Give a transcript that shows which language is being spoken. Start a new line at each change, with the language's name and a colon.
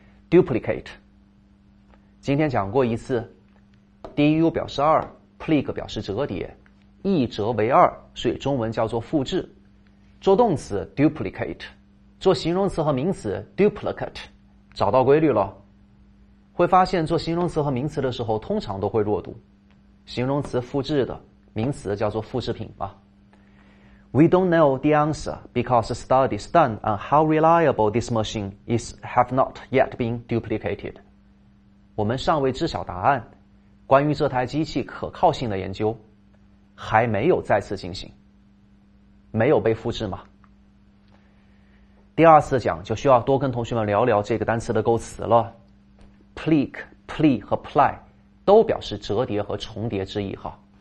Chinese: duplicate， 今天讲过一次， du 表示二， plique 表示折叠，一折为二，所以中文叫做复制，做动词 duplicate， 做形容词和名词 duplicate， 找到规律了。会发现做形容词和名词的时候通常都会弱读，形容词复制的，名词叫做复制品吧。
English: We don't know the answer because studies done on how reliable this machine is have not yet been duplicated.
Chinese: 我们尚未知晓答案，关于这台机器可靠性的研究还没有再次进行，没有被复制吗？第二次讲就需要多跟同学们聊聊这个单词的构词了。 Plique, plie 和 ply 都表示折叠和重叠之意哈。